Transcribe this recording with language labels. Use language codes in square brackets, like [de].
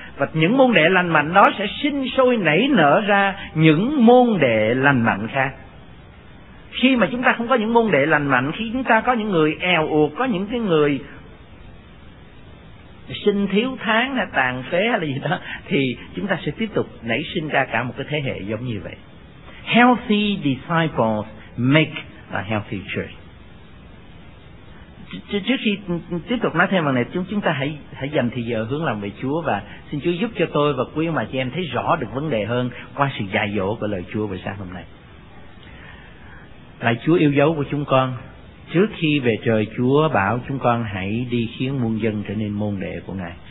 [vi] Và những môn đệ lành mạnh đó sẽ sinh sôi nảy nở ra những môn đệ lành mạnh khác. Khi mà chúng ta không có những môn đệ lành mạnh, khi chúng ta có những người eo uột, có những cái người sinh thiếu tháng hay tàn phế hay là gì đó, thì chúng ta sẽ tiếp tục nảy sinh ra cả một cái thế hệ giống như vậy. [en] Healthy disciples make a healthy church. [vi] Trước khi tiếp tục nói thêm vào này, chúng ta hãy dành thời giờ hướng lòng về Chúa và xin Chúa giúp cho tôi và quý ông bà chị em thấy rõ được vấn đề hơn qua sự dạy dỗ của lời Chúa buổi sáng hôm nay. Lạy Chúa yêu dấu của chúng con, trước khi về trời, Chúa bảo chúng con hãy đi khiến muôn dân trở nên môn đệ của Ngài.